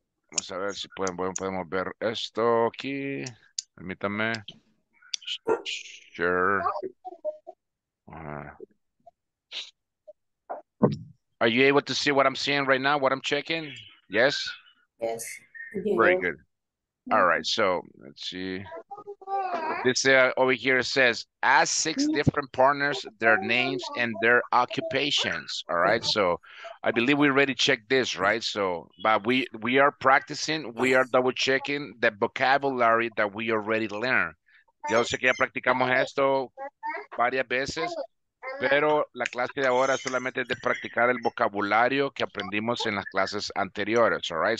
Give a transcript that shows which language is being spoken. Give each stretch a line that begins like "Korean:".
Spanish: Vamos a ver si podemos ver esto aquí. Permítame.
English: Sure. Are you able to see what I'm seeing right now, what I'm checking? Yes? Yes. Very good. All right, so let's see. This over here says, ask 6 different partners their names and their occupations. All right, so I believe we already checked this, right? So, but we are practicing, we are double checking the vocabulary that we already learned.
Spanish: Yo sé que ya practicamos esto varias veces, pero la clase de ahora solamente es de practicar el vocabulario que aprendimos en las clases anteriores,
English: all right?